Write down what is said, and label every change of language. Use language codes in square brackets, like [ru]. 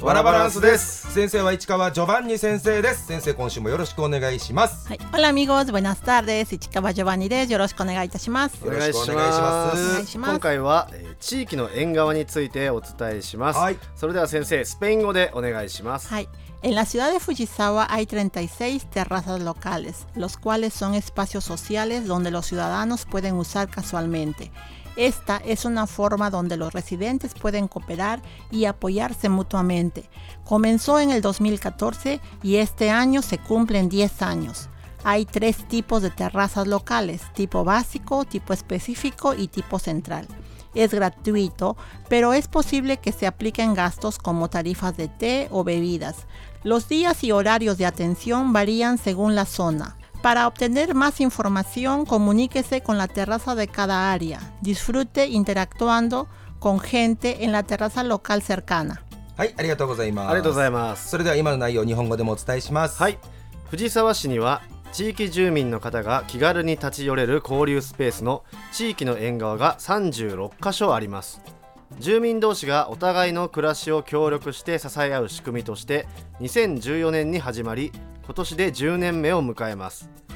[ja] ワラバランスです。先生は市川ジョバンニ先生です。先生、今週もよろしくお願いします。はい、オラミゴーズブナスターです。市川ジョバンニです。よろしくお願いいたします。よろしくお願いします。今回は、地域の縁側についてお伝えします。はい、それでは先生、スペイン語でお願いします。 [es] はい、En la ciudad de Fujisawa hay 36 terrazas locales, los cuales son espacios sociales donde los ciudadanos pueden usar casualmente. Esta es una forma donde los residentes pueden cooperar y apoyarse mutuamente. Comenzó en el 2014 y este año se cumplen 10 años. Hay tres tipos de terrazas locales, tipo básico, tipo específico y tipo central. Es gratuito, pero es posible que se apliquen gastos como tarifas de té o bebidas. Los días y horarios de atención varían según la zona. Para obtener más información, comuníquese con la terraza de cada área. Disfrute interactuando con gente en la terraza local cercana. [ja] はい、ありがとうございます。ありがとうございます。それでは今の内容を日本語でもお伝えします。はい。藤沢市には地域住民の方が気軽に立ち寄れる交流スペースの地域の縁側が36箇所あります。住民同士がお互いの暮らしを協力して支え合う仕組みとして2014年に始まり、今年で10年目を迎えます。